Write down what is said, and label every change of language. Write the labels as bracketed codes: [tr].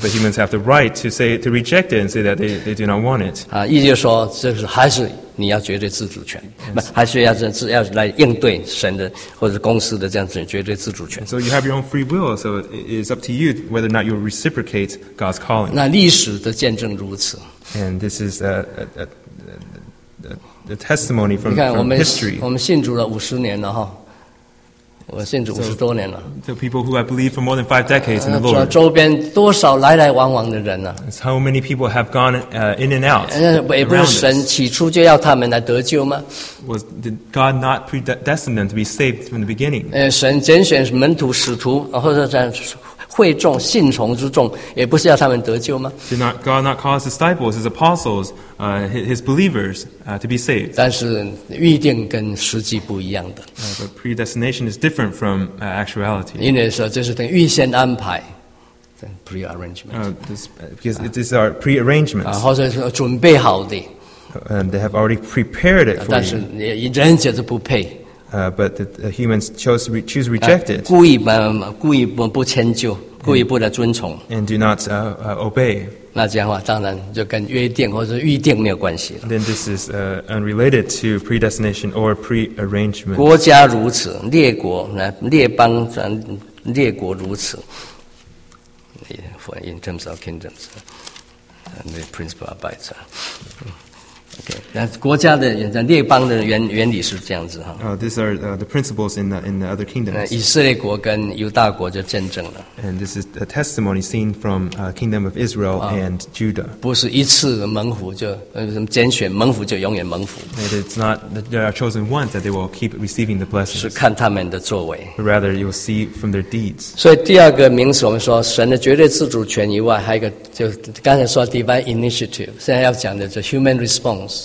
[en] But humans have the right to say to reject it and say that they do not want it. [zh] 意思就是说, 这是还是, 你要绝对自主权, 还是要来应对神的, 或者公司的这样子绝对自主权。 [en] So you have your own free will, so it's up to you whether or not you reciprocate God's calling. [zh] 那历史的见证如此。 [en] And this is a testimony from history. [zh] 你看我们信主了50年了, [en] So people who have believed for more than 5 decades in the Lord. [zh] 周边多少来来往往的人啊? [en] It's how many people have gone in and out. [zh] 不是神起初就要他们来得救吗? [en] Was did God not predestined them to be saved from the beginning? [zh] 神拣选门徒使徒或者会众信从之众, 也不是要他们得救吗? [en] Did not God not call his disciples, his apostles, his believers to be saved? [zh] 但是预定跟实际不一样的. [en] But predestination is different from actuality. [zh] 因为说这是等预先安排, [en] pre-arrangement. Because it is our pre-arrangements. [zh] 或者说准备好的, [en] and they have already prepared it for you. But the humans choose reject it. [zh] 故意不迁就，故意不来遵从。 [en] And do not obey. [zh] 那这样的话，当然就跟约定或者预定没有关系了。 [en] Then this is unrelated to predestination or prearrangement. [zh] 国家如此，列国，列邦，列国如此。 [en] In terms of kingdoms, and the principle abides. Okay. These are the principles in the other kingdoms. And this is a testimony seen from the kingdom of Israel and Judah. [zh] 不是一次蒙福就拣选蒙福就永远蒙福。 [en] And it's not that they are chosen once that they will keep receiving the blessings. [zh] 是看他们的作为。 [en] But rather, you will see from their deeds. [zh] 所以第二个名词我们说神的绝对自主权以外, 还有一个就刚才说 [en] divine initiative, [zh] 现在要讲的就 [en] human response.